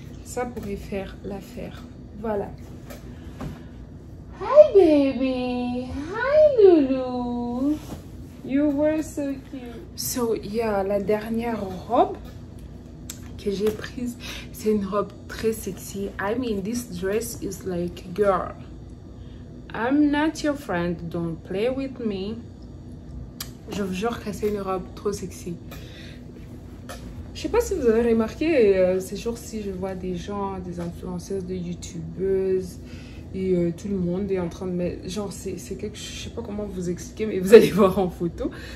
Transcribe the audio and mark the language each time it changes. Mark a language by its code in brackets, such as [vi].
[fr] Ça pourrait faire l'affaire. Voilà. [en] Hi, baby. Hi, Lulu. You were so cute. So, yeah, [fr] la dernière robe que j'ai prise, c'est une robe très sexy. [en] I mean, this dress is like, girl, I'm not your friend, don't play with me. [fr] Je vous jure que c'est une robe trop sexy. Je sais pas si vous avez remarqué, ces jours-ci, je vois des gens, des influenceuses, des youtubeuses, et tout le monde est en train de mettre, genre, c'est quelque chose, je sais pas comment vous expliquer, mais vous allez voir en photo.